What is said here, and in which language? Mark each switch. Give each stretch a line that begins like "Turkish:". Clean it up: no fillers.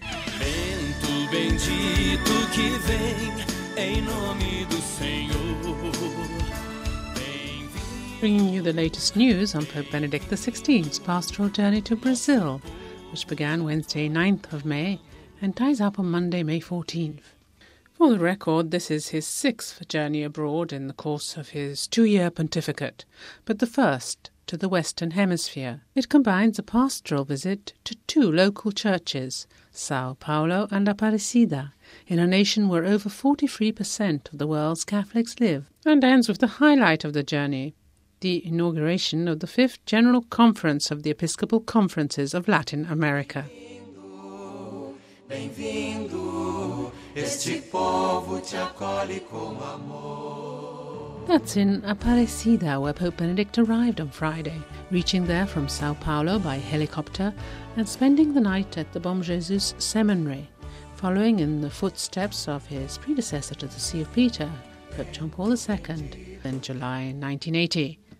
Portuguese: Vento bendito que vem em nome do Senhor.
English: Bringing you the latest news on Pope Benedict XVI's pastoral journey to Brazil, which began Wednesday 9th of May and ties up on Monday, May 14th. For the record, this is his sixth journey abroad in the course of his two-year pontificate, but the first to the Western Hemisphere. It combines a pastoral visit to two local churches, São Paulo and Aparecida, in a nation where over 43% of the world's Catholics live, and ends with the highlight of the journey, the inauguration of the fifth General Conference of the Episcopal Conferences of Latin America.
Portuguese: Bem-vindo, este povo te acolhe com amor.
English: That's in Aparecida, where Pope Benedict arrived on Friday, reaching there from São Paulo by helicopter and spending the night at the Bom Jesus Seminary, following in the footsteps of his predecessor to the See of Peter, Pope John Paul II, in July 1980.